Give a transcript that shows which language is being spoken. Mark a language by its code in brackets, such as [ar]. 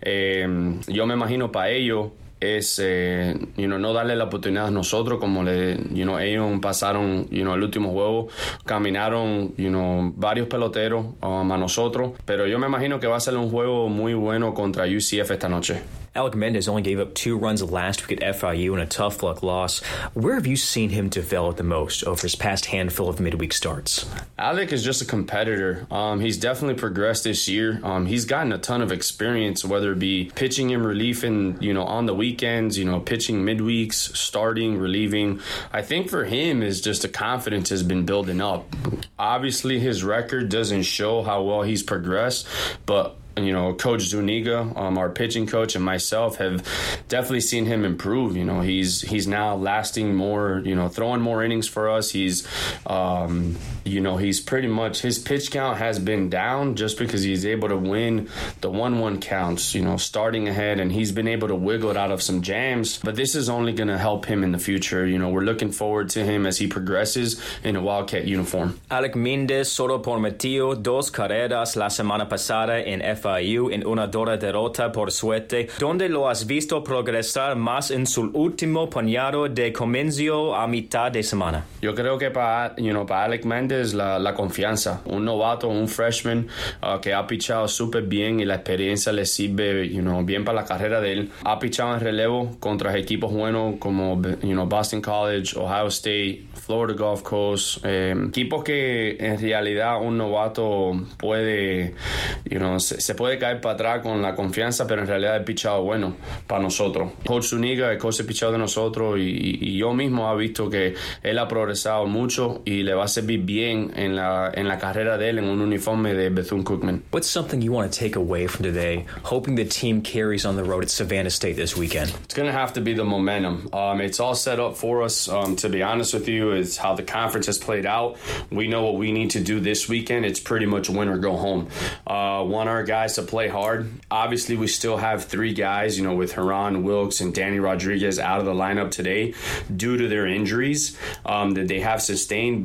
[es] Yo me imagino para ellos es no darle la oportunidad a nosotros, como ellos pasaron el último juego, caminaron varios peloteros a nosotros, pero yo me imagino que va a ser un juego muy bueno contra UCF esta noche. [en] Alec Mendez only gave up 2 runs last week at FIU in a tough luck loss. Where have you seen him develop the most over his past handful of midweek starts? Alec is just a competitor. He's definitely progressed this year. He's gotten a ton of experience, whether it be pitching in relief and, on the weekends, pitching midweeks, starting, relieving. I think for him is just the confidence has been building up. Obviously, his record doesn't show how well he's progressed, but Coach Zuniga, our pitching coach, and myself have definitely seen him improve. He's now lasting more, throwing more innings for us. He's You know, he's pretty much, his pitch count has been down just because he's able to win the 1-1 counts, you know, starting ahead, and he's been able to wiggle it out of some jams. But this is only going to help him in the future. You know, we're looking forward to him as he progresses in a Wildcat uniform. [es] Alec Mendez solo permitió dos carreras la semana pasada en FIU en una dura derrota por suerte. ¿Dónde lo has visto progresar más en su último puñado de comienzo a mitad de semana? Yo creo que para Alec Mendez la confianza. Un novato, un freshman que ha pichado súper bien y la experiencia le sirve, [en] you know, [es] bien para la carrera de él. Ha pichado en relevo contra equipos buenos como, [en] you know, [es] Boston College, Ohio State, Florida Gulf Coast. Equipos que en realidad un novato puede, [en] you know, [es] se puede caer para atrás con la confianza, pero en realidad ha pichado bueno para nosotros. Coach Zuniga, el coach ha pichado de nosotros y yo mismo ha visto que él ha progresado mucho y le va a servir bien en la carrera de él en un uniforme de Bethune-Cookman. [en] What's something you want to take away from today, hoping the team carries on the road at Savannah State this weekend? It's going to have to be the momentum. It's all set up for us, to be honest with you, is how the conference has played out. We know what we need to do this weekend. It's pretty much win or go home. Want our guys to play hard. Obviously, we still have three guys, you know, with Haran Wilkes and Danny Rodriguez out of the lineup today due to their injuries that they have sustained.